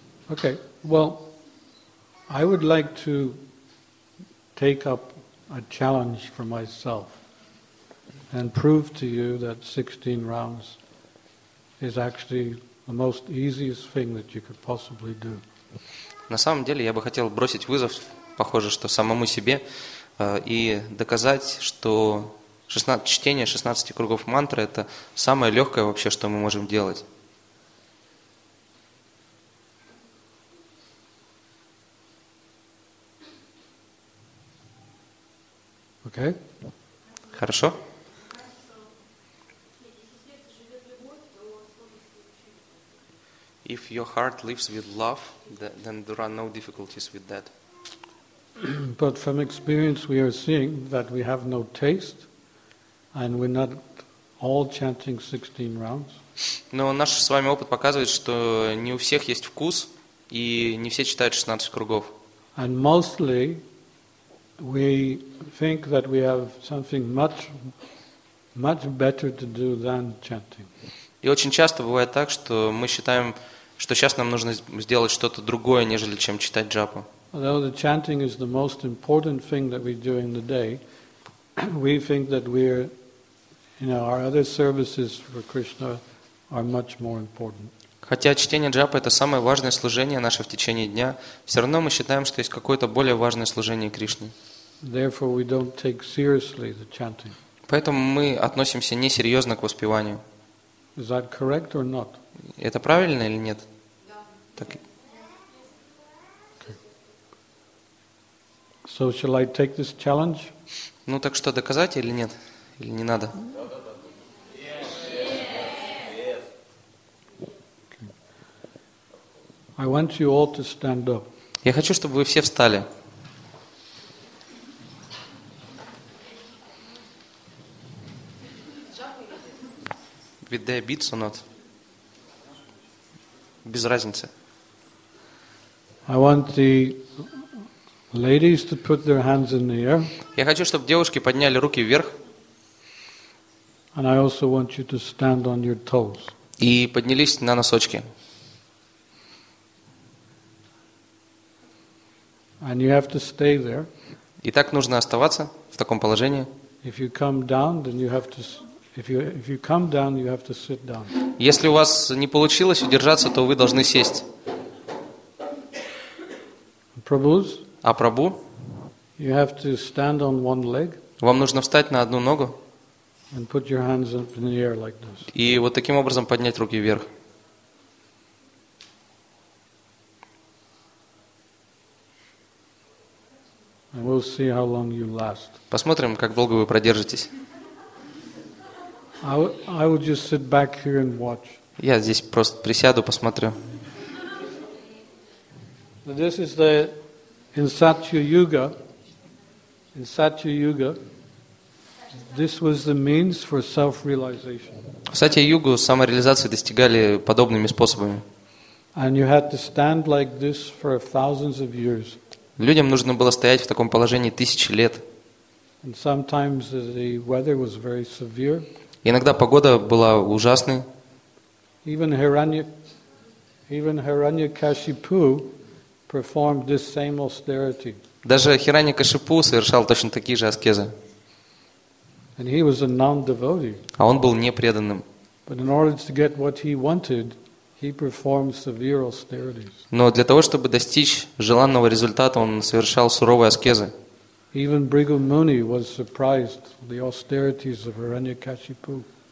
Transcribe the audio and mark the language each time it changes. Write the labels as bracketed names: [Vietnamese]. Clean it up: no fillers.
[English] Okay, well, I would like to take up a challenge for myself and prove to you that 16 rounds is actually the most easiest thing that you could possibly do. [Russian] На самом деле, я бы хотел бросить вызов, похоже, что самому себе, и доказать, что чтение 16 кругов мантры — это самое легкое вообще, что мы можем делать. [English] Okay. [Russian] Хорошо? [English] If your heart lives with love, then there are no difficulties with that. But from experience we are seeing that we have no taste and we're not all chanting 16 rounds. [Russian] Но наш с вами опыт показывает, что не у всех есть вкус и не все читают 16 кругов. [English] And mostly we think that we have something much, much better to do than chanting. [Russian] И очень часто бывает так, что мы считаем, что сейчас нам нужно сделать что-то другое, нежели чем читать джапу. [English] Although the chanting is the most important thing that we do in the day, we think that we're, you know, our other services for Krishna are much more important. [Russian] Хотя чтение джапы это самое важное служение наше в течение дня, все равно мы считаем, что есть какое-то более важное служение Кришне. [English] Therefore, we don't take seriously the chanting. [Russian] Поэтому мы относимся несерьезно к воспеванию. [English] Is that correct or not? [Russian] Это правильно или нет? Так. [English] So shall I take this challenge? [Russian] Ну так что, доказать или нет? Или не надо? [English] Okay. I want you all to stand up. [Russian] Я хочу, чтобы вы все встали. [English] With their beats or not? [Russian] Без разницы. [English] I want the ladies to put their hands in the air. [Russian] Я хочу, чтобы девушки подняли руки вверх. [English] And I also want you to stand on your toes. [Russian] И поднялись на носочки. [English] And you have to stay there. [Russian] И так нужно оставаться в таком положении. [English] If you come down, then you have to. If you come down, you have to sit down. [Russian] Если у вас не получилось удержаться, то вы должны сесть. [English] Prabhus, [Russian] а Прабу? [English] You have to stand on one leg. [Russian] Вам нужно встать на одну ногу. [English] And put your hands up in the air like this. [Russian] И вот таким образом поднять руки вверх. [English] And we'll see how long you last. [Russian] Посмотрим, как долго вы продержитесь. [English] I will just sit back here and watch. [Russian] Я здесь просто присяду, посмотрю. [English] This is the in Satya Yuga. In Satya Yuga, this was the means for self-realization. [Russian] В Сатья Югу самореализацию достигали подобными способами. [English] And you had to stand like this for thousands of years. [Russian] Людям нужно было стоять в таком положении тысячи лет. [English] And sometimes the weather was very severe. [Russian] Иногда погода была ужасной. [English] Even Hiranyakashipu performed this same austerity. [Russian] Даже Хираньякашипу совершал точно такие же аскезы. [English] And he was a non-devotee. [Russian] А он был непреданным. [English] But in order to get what he wanted, he performed severe austerities. [Russian] Но для того, чтобы достичь желанного результата, он совершал суровые аскезы. [English] Even Bhrigu Muni was surprised at the austerities of Hiranyakashipu.